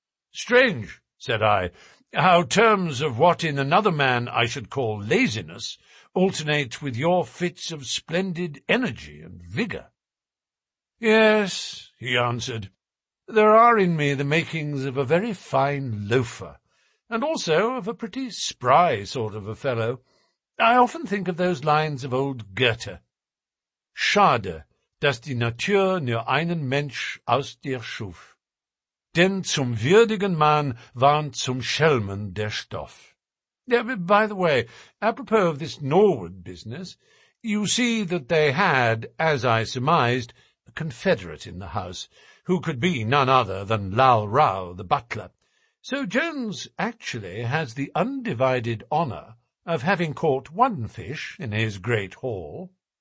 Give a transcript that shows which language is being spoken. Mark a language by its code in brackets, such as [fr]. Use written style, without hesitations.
[en] "Strange," said I, "how terms of what in another man I should call laziness alternate with your fits of splendid energy and vigour." "Yes," he answered, "there are in me the makings of a very fine loafer, and also of a pretty spry sort of a fellow. I often think of those lines of old Goethe. [de] Schade, dass die Natur nur einen Mensch aus dir schuf. Denn zum würdigen Mann waren zum Schelmen der Stoff." [en] "By the way, apropos of this Norwood business, You see that they had, as I surmised, a confederate in the house, who could be none other than Lal Rao, the butler. So Jones actually has the undivided honour of having caught one fish in his great haul.